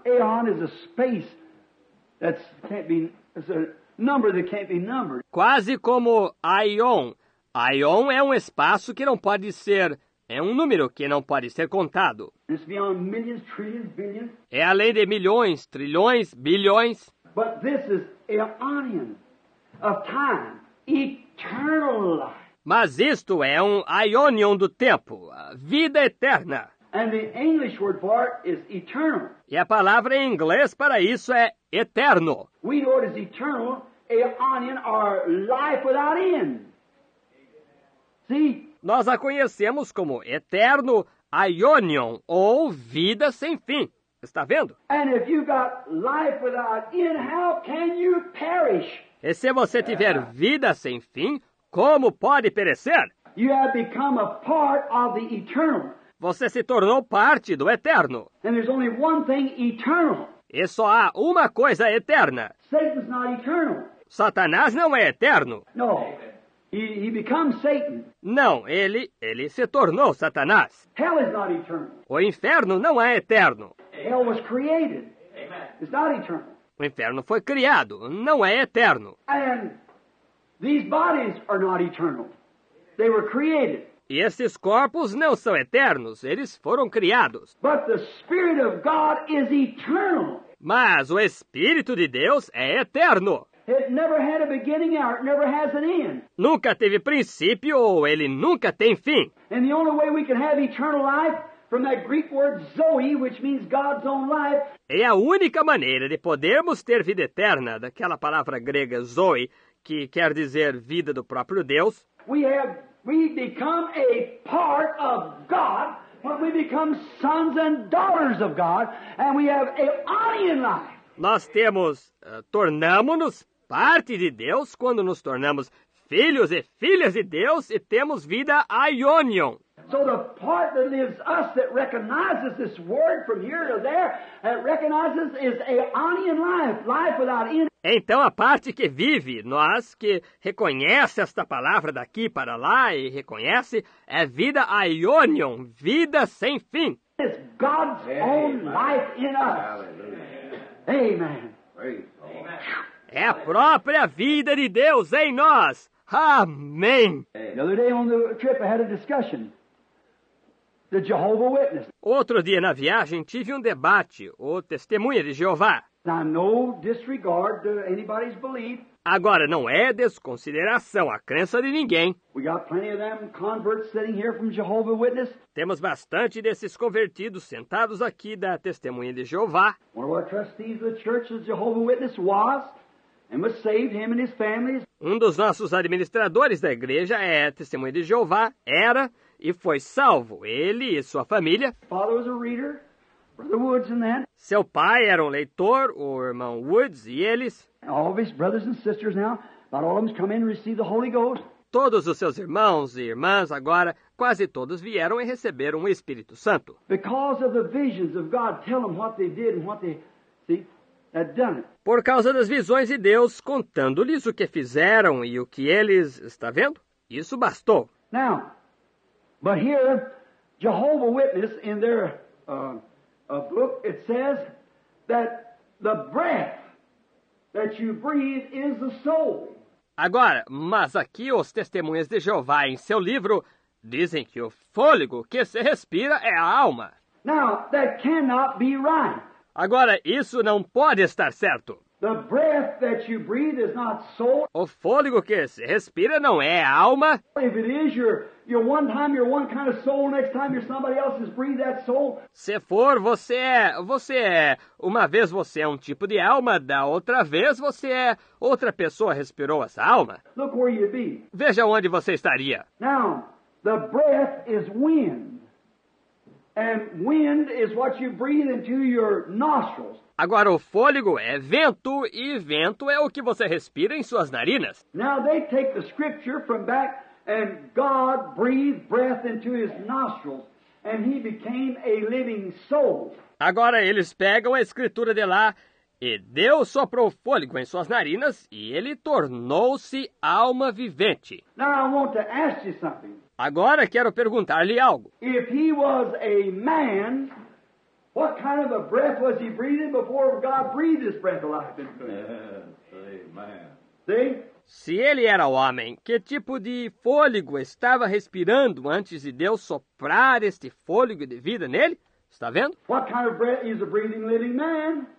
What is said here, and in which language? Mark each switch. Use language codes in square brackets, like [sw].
[en] Aeon is a space that's can't be, it's a number that can't be numbered. [pt] Quase como aion. Aion é espaço que não pode ser. É número que não pode ser contado. [en] It's beyond millions, trillions, billions. [pt] É além de milhões, trilhões, bilhões. [en] But this is aeonian of time, eternal life. [pt] Mas isto é aeonion do tempo, a vida eterna. [en] And the English word for it is eternal. [pt] E a palavra em inglês para isso é eterno. [en] We know it is eternal, aeonian, or life without end. See? [pt] Nós a conhecemos como eterno aionion, ou vida sem fim. Está vendo? [en] And if you got life without end, how can you perish? [pt] E se você tiver vida sem fim, como pode perecer? [en] You have become a part of the eternal. [pt] Você se tornou parte do eterno. [en] And there's only one thing eternal. [pt] E só há uma coisa eterna. [en] Satan's not eternal. [pt] Satanás não é eterno. [en] No, he becomes Satan. [pt] Não, ele se tornou Satanás. [en] Hell is not eternal. [pt] O inferno não é eterno. [en] Hell was created. It's not eternal. [pt] O inferno foi criado, não é eterno. [en] And these bodies are not eternal. They were created. [pt] E esses corpos não são eternos, eles foram criados. [en] But the Spirit of God is eternal. [pt] Mas o Espírito de Deus é eterno. [en] It never had a beginning or it never has an end. [pt] Nunca teve princípio ou ele nunca tem fim. [en] And the only way we can have eternal life from that Greek word zoe, which means God's own life. [pt] É a única maneira de podermos ter vida eterna, daquela palavra grega zoe, que quer dizer vida do próprio Deus. [en] We become a part of God. But we become sons and daughters of God, and we have aeonian life. [pt] Nós temos, tornamos-nos parte de Deus quando nos tornamos filhos e filhas de Deus e temos vida aionion. [en] So the part that lives us that recognizes this word from here to there, that recognizes is aionian life, life without end. [pt] Então a parte que vive, nós que reconhece esta palavra daqui para lá e reconhece, é vida aionion, vida sem fim. [en] It's God's own life in us. Amen. [pt] É a própria vida de Deus em nós. Amém. [en] The other day on the trip I had a discussion. The Jehovah Witness. [pt] Outro dia na viagem tive um debate, o testemunha de Jeová. [en] Now, no disregard to anybody's belief. [pt] Agora, não é desconsideração a crença de ninguém. [en] We got plenty of them converts sitting here from Jehovah Witness. [pt] Temos bastante desses convertidos sentados aqui da testemunha de Jeová. [en] One of our trustees of the church of Jehovah Witness was and was saved him and his family. [pt] Um dos nossos administradores da igreja é testemunha de Jeová, era e foi salvo, ele e sua família. [en] Father was a reader. Brother Woods and then. [pt] Seu pai era um leitor, o irmão Woods e eles. [en] All of his brothers and sisters now, about all of them come in and receive the Holy Ghost. [pt] Todos os seus irmãos e irmãs agora, quase todos vieram e receberam o Espírito Santo. [en] Because of the visions of God, tell them what they did and what they see had done it. [pt] Por causa das visões de Deus, contando-lhes o que fizeram e o que eles está vendo, isso bastou. [en] Now, but here, Jehovah Witness in their a book, it says that the breath that you breathe is the soul. [pt] Agora, mas aqui os testemunhas de Jeová em seu livro dizem que o fôlego que se respira é a alma. [en] Now, that cannot be right. [pt] Agora, isso não pode estar certo. [en] The breath that you breathe is not soul. [pt] O fôlego que se respira não é a alma. [en] If it is your one time you're one kind of soul, next time you're somebody else's breathe that soul. [pt] Se for, você é uma vez você é um tipo de alma, da outra vez você é outra pessoa respirou essa alma. [en] Look where you'd be. [pt] Veja onde você estaria. [en] Now, the breath is wind. And wind is what you breathe into your nostrils. [pt] Agora, o fôlego é vento, e vento é o que você respira em suas narinas. [en] Now they take the scripture from back, and God breathed breath into his nostrils, and he became a living soul. [pt] Agora, eles pegam a escritura de lá, e Deus soprou fôlego em suas narinas, e ele tornou-se alma vivente. [en] Now I want to ask you something. [pt] Agora, quero perguntar-lhe algo. [en] If he was a man, what kind of a breath was he breathing before God breathed his breath of life into him? Amen. See? [pt] Se ele era homem, que tipo de fôlego estava respirando antes de Deus soprar este fôlego de vida nele? Está vendo? [en] What kind of breath is a breathing living man?